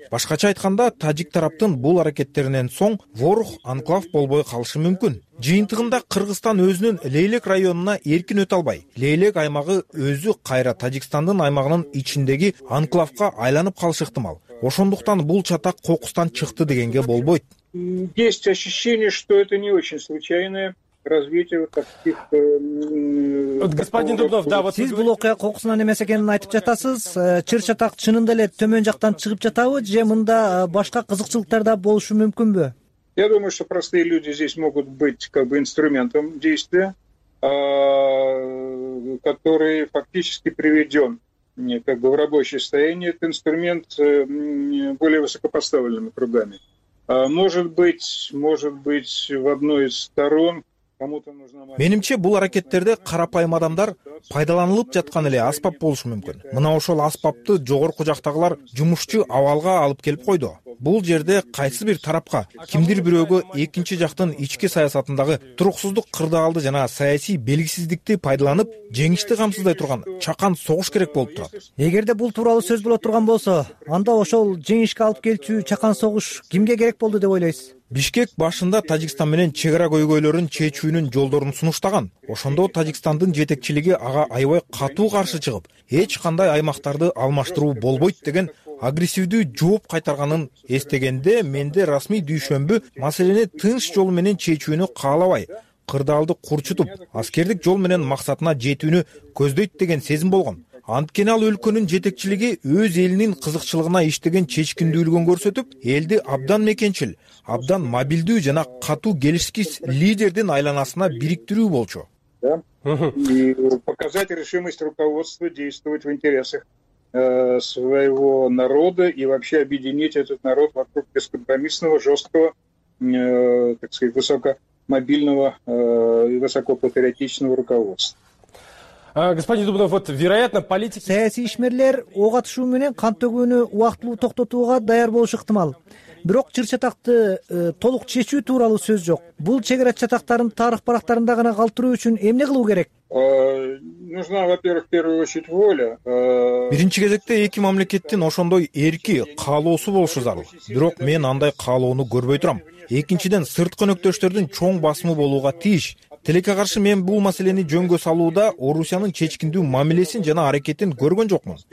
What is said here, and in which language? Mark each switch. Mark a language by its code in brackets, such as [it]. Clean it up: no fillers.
[ky] Башкача айтканда, тажик тараптын бул аракеттеринен соң Ворух анклав болбой калышы мүмкүн. Жыйынтыгында Кыргызстан өзүнүн Лейлек районуна эркин өтө албай, Лейлек аймагы өзү кайра Тажикстандын аймагынын ичиндеги анклавга айланып калышы ыктымал. Ошондуктан бул чатак кокустан чыкты дегенге болбойт. [ru] Есть ощущение, что это не очень случайное развитие вот таких... Господин Дубнов, да, вот... [ky] Сиз бул окуя кокусунан эмес экенин айтып жатасыз. Чыр чатак чынында эле төмөн жактан чыгып жатабы, же мында башка кызыкчылыктар да болушу мүмкүнбү? [ru] Я думаю, что простые люди здесь могут быть как бы инструментом действия, который фактически приведен как бы в рабочее состояние. Это инструмент более высокопоставленными кругами. Может быть, в одной из сторон кому-то нужна... [ky] Менимче, бул аракеттерде карапайым адамдар пайдаланылып жаткан эле аспап болушу мүмкүн. Мына ошол аспапты жогорку жактагылар жумушчу абалга алып келип койду. Бул жерде кайсы бир тарапка, кимдир бирөөгө экинчи жактын ички саясатындагы туруксуздук кырдаалды жана саясий белгисиздикти пайдаланып, жеңишти камсыздай турган чакан согуш керек болуп турат. Эгерде бул тууралуу сөз боло турган болсо, анда ошол жеңишке алып келчү чакан согуш кимге керек болду деп ойлойсуз? Бишкек башында Тажикстан менен чек ара көйгөйлөрүн чечүүнүн жолдорун сунуштаган. Ошондо Тажикстандын жетекчилиги ага аябай катуу каршы чыгып, эч кандай аймактарды алмаштыруу болбойт деген агрессивдүү жооп кайтарганын эстегенде, менде расмий дүйшөмбү маселени тынч жол менен чечүүнү каалабай, кырдаалды курчутуп, аскердик жол менен максатына жетүүнү көздөйт деген сезим болгон. Анткени ал өлкөнүн жетекчилиги өз элинин кызыкчылыгына иштеген чечкиндүүлүгүн көрсөтүп, элди абдан мекенчил, абдан мобилдүү жана катуу келишкис лидердин айланасына бириктирүү болчу. [ru] Показать решимость руководства действовать в интересах своего народа и вообще объединить этот народ вокруг бескомпромиссного, жесткого, так сказать, высокомобильного и высокопатриотичного руководства. Господин Дубнов, вот вероятно политики... [ky] Саясий ишмерлер ок атышуу менен кан төгүүнү убактылуу токтотууга даяр болушу ыктымал. Бирок чыр чатакты толук чечүү тууралуу сөз жок. Бул чек ара чатактарын тарых барактарында гана калтыруу үчүн эмне кылуу керек? [ru] Нужна, во-первых, в первую очередь воля. [ky] Биринчи кезекте эки мамлекеттин ошондой эрки, каалоосу болушу зарыл. Бирок мен андай каалоону көрбөй турам. Экинчиден, сырткы өнөктөштөрдүн чоң басымы болууга тийиш. Тилекке каршы мен бул маселени жөнгө салууда Орусиянын чечкиндүү мамилесин жана аракетин көргөн жокмун.